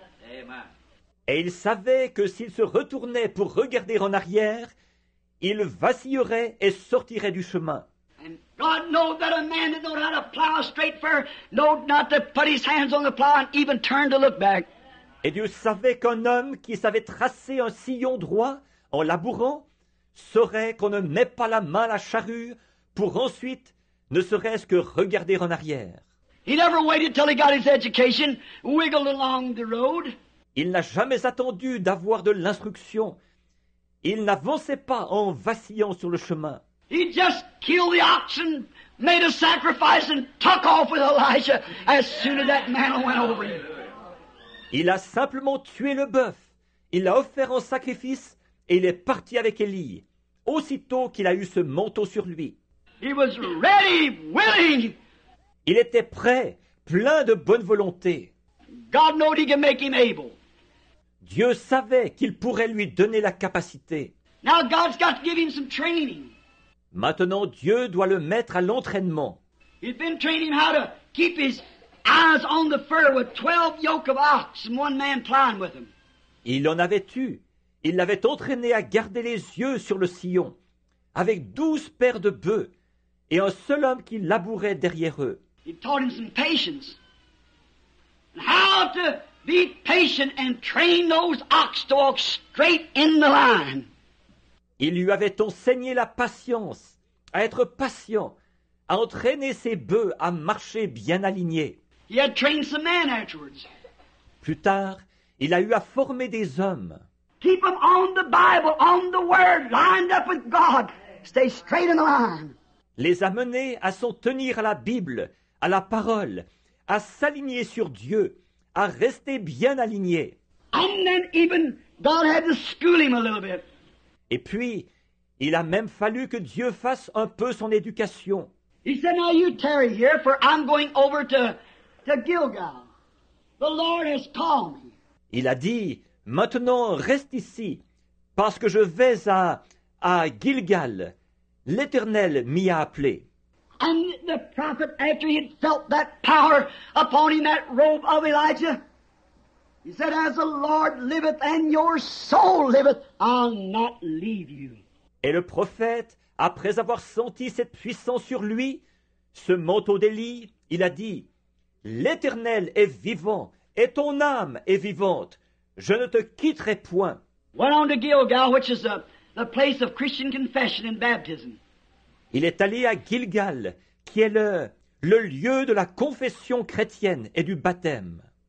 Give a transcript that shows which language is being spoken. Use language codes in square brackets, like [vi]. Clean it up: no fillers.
[en] Amen. [fr] Et il savait que s'il se retournait pour regarder en arrière, il vacillerait et sortirait du chemin. [en] And God knows that a man that knows how to plow straight fur knows not to put his hands on the plow and even turn to look back. [fr] Et Dieu savait qu'un homme qui savait tracer un sillon droit en labourant saurait qu'on ne met pas la main à la charrue pour ensuite ne serait-ce que regarder en arrière. [en] He never waited till he got his education, wiggled along the road. [fr] Il n'a jamais attendu d'avoir de l'instruction. Il n'avançait pas en vacillant sur le chemin. [en] He just killed the oxen, made a sacrifice, and took off with Elijah as soon as that mantle went over him. [fr] Il a simplement tué le bœuf. Il l'a offert en sacrifice et il est parti avec Élie, aussitôt qu'il a eu ce manteau sur lui. [en] He was ready, willing. [fr] Il était prêt, plein de bonne volonté. [en] God knew he could make him able. [fr] Dieu savait qu'il pourrait lui donner la capacité. [en] Now God's got to give him some training. [fr] Maintenant, Dieu doit le mettre à l'entraînement. [en] He'd been training how to keep his eyes on the fur with 12 yoke of ox and one man plowing with him. [fr] Il en avait eu. Il l'avait entraîné à garder les yeux sur le sillon, avec 12 paires de bœufs et un seul homme qui labourait derrière eux. [en] He'd taught him some patience. How to be patient and train those ox to walk straight in the line. [fr] Il lui avait enseigné la patience, à être patient, à entraîner ses bœufs à marcher bien alignés. [en] He had trained some men afterwards. [fr] Plus tard, il a eu à former des hommes. [en] Keep them on the Bible, on the Word, lined up with God. Stay straight in the line. [fr] les amener à s'en tenir à la Bible, à la parole, à s'aligner sur Dieu, à rester bien alignés. [en] And then even God had to school him a little bit. [fr] Et puis, il a même fallu que Dieu fasse un peu son éducation. [en] He said, now you tarry here, for I'm going over to Gilgal. The Lord has called me. [fr] Il a dit, maintenant reste ici, parce que je vais à Gilgal. L'Éternel m'y a appelé. [en] And the prophet, after he had felt that power upon him, that robe of Elijah, he said, as the Lord liveth and your soul liveth, I'll not leave you. [fr] Et le prophète, après avoir senti cette puissance sur lui, ce manteau d'Élie, il a dit, l'Éternel est vivant et ton âme est vivante. Je ne te quitterai point. [en] Went on to Gilgal, which is the place of Christian confession and baptism. [fr] Il est allé à Gilgal, qui est le lieu de la confession chrétienne et du baptême.